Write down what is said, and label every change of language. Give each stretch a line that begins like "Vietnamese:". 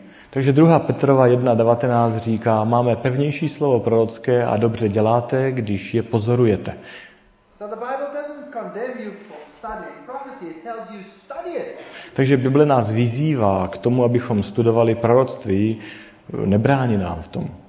Czech: Takže 2. Petrova 1.19 říká, máme pevnější slovo prorocké a dobře děláte, když je pozorujete.
English: So the Bible doesn't condemn you for study. Prophecy, it tells you study it.
Czech: Takže Bible nás vyzývá k tomu, abychom studovali proroctví, nebrání nám v tom.